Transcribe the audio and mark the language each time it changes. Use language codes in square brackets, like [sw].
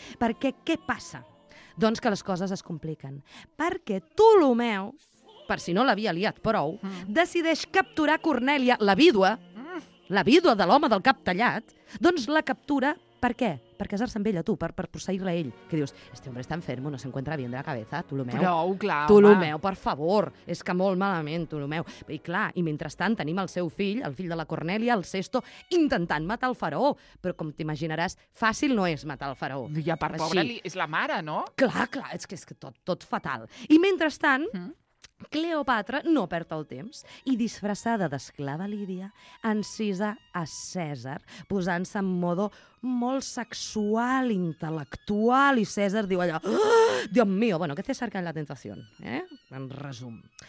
[ca] Perquè què passa? Doncs que les coses es compliquen. Perquè Ptolomeu, per si no l'havia liat prou, decideix capturar Cornèlia, la vídua de l'home del cap tallat, doncs la captura per què? Per casar-se amb ella, tu, per posseir-la a ell. Que dius, [es] este hombre está enfermo, no se encuentra bien de la cabeza, Ptolomeu. [ca] Prou, clar, Ptolomeu, per favor, és que molt malament, Ptolomeu. I clar, i mentrestant tenim el seu fill, el fill de la Cornèlia, el Sesto, intentant matar el faraó. Però com t'imaginaràs, fàcil no és matar el faraó. I a part, pobre, és la mare, no? Clar, és que tot fatal. I mentrestant, Cleopatra no perd el temps i, disfressada d'esclava lídia, encisa a Cèsar, posant-se en modo molt sexual, intel·lectual, i Cèsar diu allò, [es] Dios mío, bueno, que César cae en la tentación, [ca] en resum.